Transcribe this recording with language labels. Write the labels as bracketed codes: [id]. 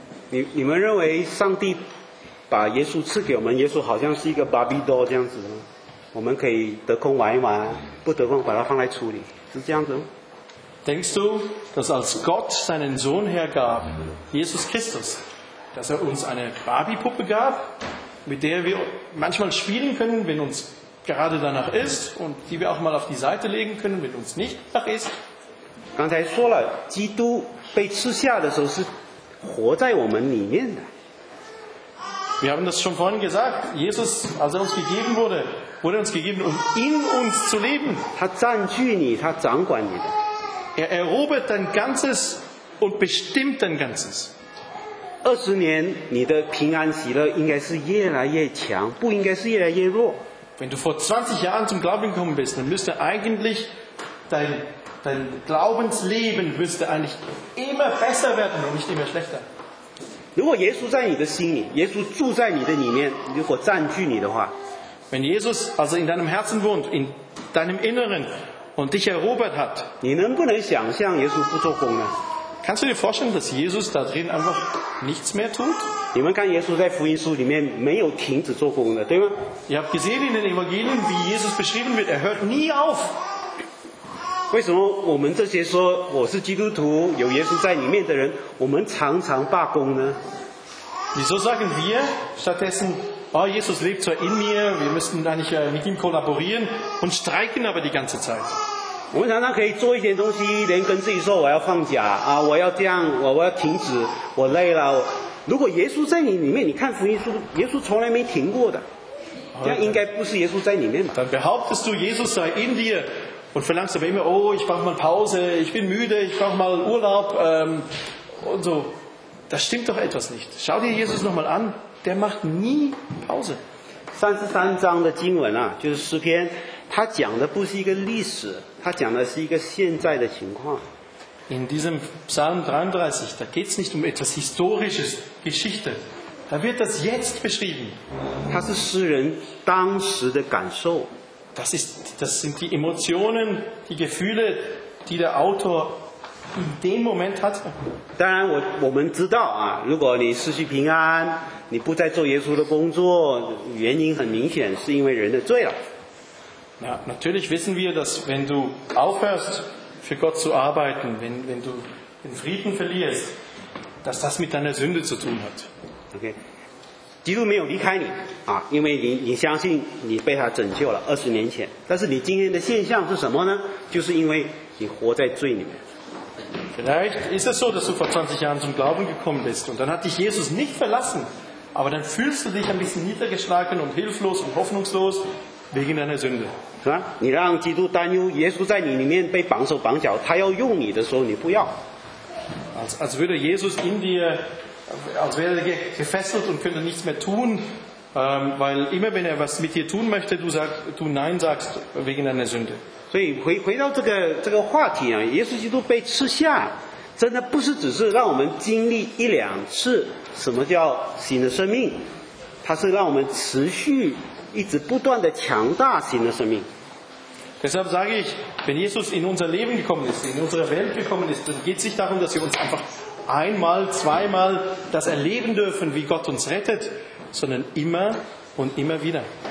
[zh] 你们认为上帝把耶稣赐给我们，耶稣好像是一个 [en] Barbie doll [zh] 这样子，我们可以得空玩一玩，不得空把它放在橱里，是这样子吗？ [de] Denkst du, dass als Gott seinen Sohn hergab, Jesus Christus, dass uns eine Barbie-Puppe gab, mit der wir manchmal spielen können, wenn uns gerade danach ist, und die wir auch mal auf die Seite legen können, wenn uns nicht danach ist? [zh] 刚才说了，基督被赐下的时候是活在我们里面的。 [de] Wir haben das schon vorhin gesagt. Jesus, als uns gegeben wurde, wurde uns gegeben, um in uns zu leben. [zh] 他占据你，他掌管你的。 [de] Er erobert dein Ganzes und bestimmt dein Ganzes. [zh] 二十年，你的平安喜乐应该是越来越强，不应该是越来越弱。 [de] Wenn du vor 20 Jahren zum Glauben gekommen bist, dann müsste eigentlich dein Glaubensleben müsste eigentlich immer besser werden und nicht immer schlechter. [zh] 如果耶稣在你的心里，耶稣住在你的里面，如果占据你的话 [de] ，Wenn Jesus also in deinem Herzen wohnt, in deinem Inneren und dich erobert hat, [zh] 你能不能想象耶稣不做工呢 [de] ？Kannst du dir vorstellen, dass Jesus da drin einfach nichts mehr tut？ [zh] 你们看耶稣在福音书里面没有停止做工的，对吗 [de] ？Ihr habt gesehen in den Evangelien, wie Jesus beschrieben wird, er hört nie auf。 [zh] 为什么我们这些说我是基督徒有耶稣在里面的人我们常常罢工呢 [de] Wieso sagen wir stattdessen Jesus lebt zwar in mir wir müssten eigentlich mit ihm kollaborieren und streiken aber die ganze Zeit [zh] 我们常常可以做一点东西连跟自己说我要放假啊，我要这样我要停止我累了我如果耶稣在你里面你看福音书耶稣从来没停过的这样应该不是耶稣在里面吧 [de] Dann behauptest du Jesus sei in dirUnd verlangst aber immer, ich brauche mal Pause, ich bin müde, ich brauche mal Urlaub, und so. Das stimmt doch etwas nicht. Schau dir Jesus nochmal an, der macht nie Pause. [zh] 33章的经文啊，就是诗篇，他讲的不是一个历史，他讲的是一个现在的情况。 [de] In diesem Psalm 33, da geht's nicht um etwas historisches, Geschichte. Da wird das jetzt beschrieben. [zh] 他是诗人当时的感受。 [de] Das sind die Emotionen, die Gefühle, die der Autor in dem Moment hatte. [zh] 当然我们知道啊，如果你失去平安，你不再做耶稣的工作，原因很明显，是因为人的罪了。 [de] Ja, natürlich wissen wir, dass wenn du aufhörst, für Gott zu arbeiten, wenn du den Frieden verlierst, dass das mit deiner Sünde zu tun hat. Okay. [zh] 基督没有离开你啊，因为你相信你被他拯救了二十年前。但是你今天的现象是什么呢？就是因为你活在罪里面。 [de] Vielleicht ist es so, dass du vor 20 Jahren zum Glauben gekommen bist und dann hat dich Jesus nicht verlassen, aber dann fühlst du dich ein bisschen niedergeschlagen und hilflos und hoffnungslos wegen deiner Sünde. [zh] 是吧？你让基督担忧，耶稣在你里面被绑手绑脚，他要用你的时候你不要。 [de] Als würde Jesus in dir als wäre er gefesselt und könnte nichts mehr tun, Weil immer wenn er was mit dir tun möchte, du nein sagst wegen deiner Sünde. [zh] 所以回到这个话题啊，耶稣基督被吃下。 [de] Deshalb sage ich, wenn Jesus in unser Leben gekommen ist, in unsere Welt gekommen ist, dann geht es nicht darum, dass wir uns einfach einmal, zweimal das erleben dürfen, wie Gott uns rettet, sondern immer und immer wieder.